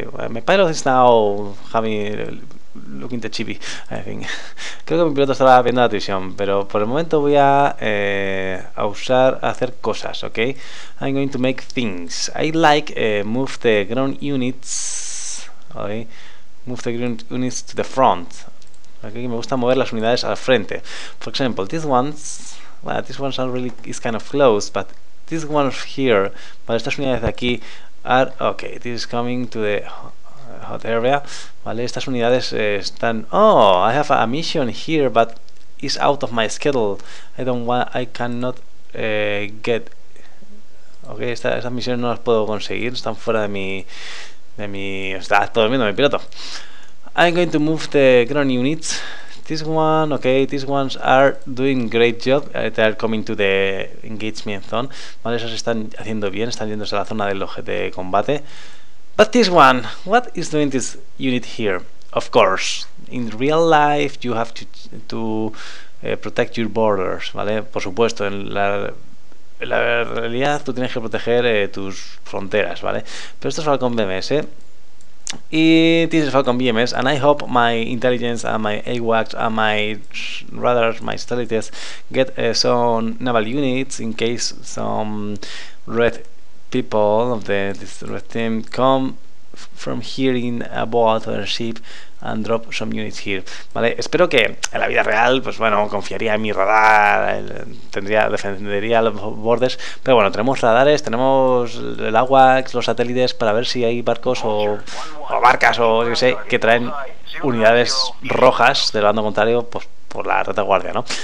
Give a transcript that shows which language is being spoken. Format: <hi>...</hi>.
<en>My pilot is now looking the chibi, I think.</en> <es>Creo que mi piloto estaba viendo la televisión, pero por el momento voy a hacer cosas, ¿ok?</es> <en>I'm going to make things. I like move the ground units, ¿okay? Move the ground units to the front. ¿Okay?</en> <es>Me gusta mover las unidades al frente.</es> <en>For example, these ones are really is kind of close, but this one here, but</en> <es>estas unidades de aquí</es> <en>are okay. This is coming to the hot area, ¿vale?</en> <es>Estas unidades están...</es> <en>Oh, I have a mission here, but it's out of my schedule. I cannot get...</en> <es>Okay, estas misiones no las puedo conseguir, están fuera de mi... Está todo durmiendo mi piloto.</es> <en>I'm going to move the ground units. This one, okay, these ones are doing great job. They are coming to the engagement zone. ¿Vale?</en> <es>Esas están haciendo bien, están yéndose a la zona de combate.</es> <en>But this one, what is doing this unit here? Of course, in real life you have to protect your borders, ¿vale?</en> <es>Por supuesto, en la realidad tú tienes que proteger tus fronteras, ¿vale? Pero esto es Falcon BMS, y</es> <en>this is Falcon BMS, and I hope my intelligence and my AWACS and my radars, my satellites, get some naval units in case some red people of this red team come from here in a boat or a ship and drop some units here, ¿vale?</en> <es>Espero que en la vida real, pues bueno, confiaría en mi radar, defendería los bordes, pero bueno, tenemos radares, tenemos el AWACS, los satélites, para ver si hay barcos o barcas o yo qué sé, que traen unidades rojas del bando contrario, pues por la retaguardia, ¿no?</es>